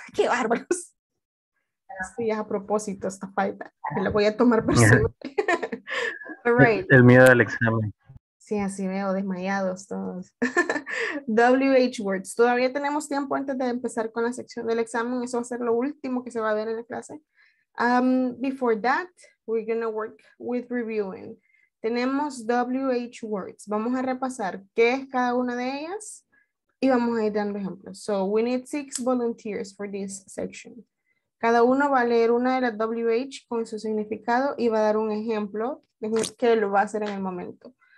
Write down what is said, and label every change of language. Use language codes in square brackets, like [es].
[es] ¡Qué bárbaros! Sí, a propósito, esta falta. Me la voy a tomar personal. [en] All right. [es] El miedo al examen. Sí, así veo, desmayados todos. WH words. Todavía tenemos tiempo antes de empezar con la sección del examen. Eso va a ser lo último que se va a ver en la clase. [en] Before that, we're going to work with reviewing. [es] Tenemos WH words. Vamos a repasar qué es cada una de ellas y vamos a ir dando ejemplos. [en] So we need 6 volunteers for this section. [es] Cada uno va a leer una de las WH con su significado y va a dar un ejemplo de qué lo va a hacer en el momento.